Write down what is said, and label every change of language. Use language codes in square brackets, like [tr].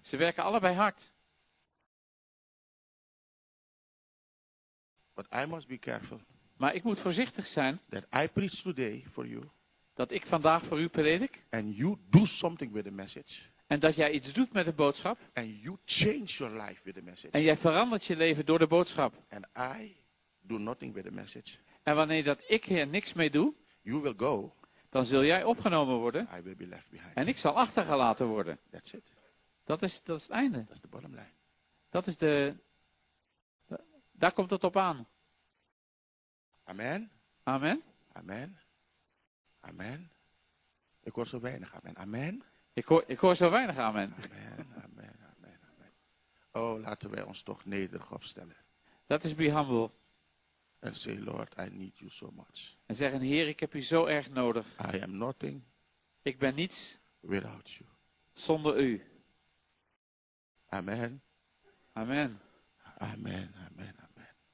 [nl] Ze werken allebei hard. [en] But I must be careful. [nl] Maar ik moet voorzichtig zijn. [en] That I preach today for you. [nl] Dat ik vandaag voor u predik. [en] And you do something with the message. [nl] En dat jij iets doet met de boodschap. [en] And you change your life with the message. [nl] En jij verandert je leven door de boodschap. [en] And I do nothing with the message. [nl] En wanneer dat ik hier niks mee doe. [en] You will go. [nl] Dan zul jij opgenomen worden. [en] I will be left behind. [nl] En ik zal achtergelaten worden. [en] That's it. [nl] Dat is het einde. [en] That's the bottom line. [nl] Dat is de. Daar komt het op aan. Amen. Amen. Amen. Amen. Ik hoor zo weinig amen. Amen. Ik hoor zo weinig amen. Amen, amen, amen, amen. Oh, laten wij ons toch nederig opstellen. [en] Let us be humble. And say, Lord, I need you so much. [nl] En zeggen, Heer, ik heb u zo erg nodig. [en] I am nothing. [nl] Ik ben niets. [en] Without you. [nl] Zonder u. Amen. Amen. Amen, amen, amen.